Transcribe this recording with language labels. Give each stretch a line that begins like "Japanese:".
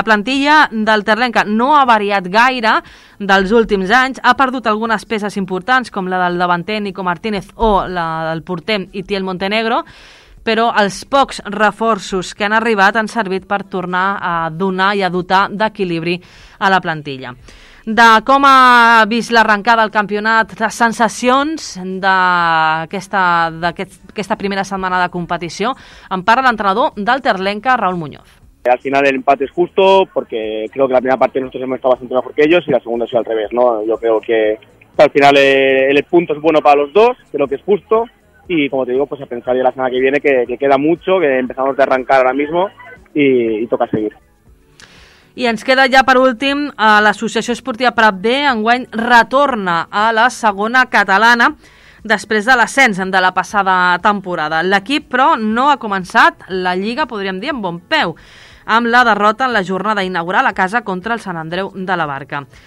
Catalan: La plantilla del Terlenca no ha variat gaire dels últims anys, ha perdut algunes peces importants com la del davanter Nico Martínez o la del porter Itiel Montenegro, però els pocs reforços que han arribat han servit per tornar a donar i a dotar d'equilibri a la plantilla. De com ha vist l'arrencada del campionat, les sensacions d'aquesta primera setmana de competició, en parla l'entrenador del Terlenca, Raúl Muñoz.
Spanish: Al final el empate es justo, porque creo que la primera parte nosotros hemos estado bastante mejor que ellos y la segunda ha sido al revés, ¿no? Yo creo que al final el punto es bueno para los dos, creo que es justo, y como te digo, pues a pensar ya la semana que viene, que queda mucho, que empezamos de arrancar ahora mismo y toca seguir.
Catalan: I ens queda ja per últim l'Associació Esportiva Prat B. Enguany retorna a la segona catalana després de l'ascens de la passada temporada. L'equip, però, no ha començat la Lliga, podríem dir, amb bon peu, amb la derrota en la jornada inaugural a casa contra el Sant Andreu de la Barca.